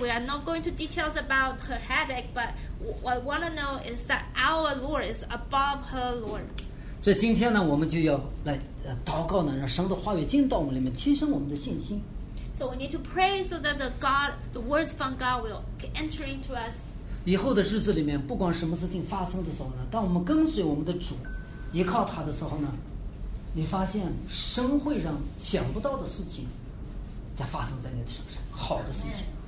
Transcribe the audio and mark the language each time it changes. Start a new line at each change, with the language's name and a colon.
English: We are not going to details about her headache, but what I want to know is that our Lord is above her Lord.
Chinese: 所以今天呢，我们就要来祷告呢，让神的话语进到我们里面，提升我们的信心。
English: So we need to pray so that the words from God will enter into us.
Chinese: 以后的日子里面，不管什么事情发生的时候呢，当我们跟随我们的主，依靠他的时候呢，你发现神会让想不到的事情，在发生在你的身上，好的事情。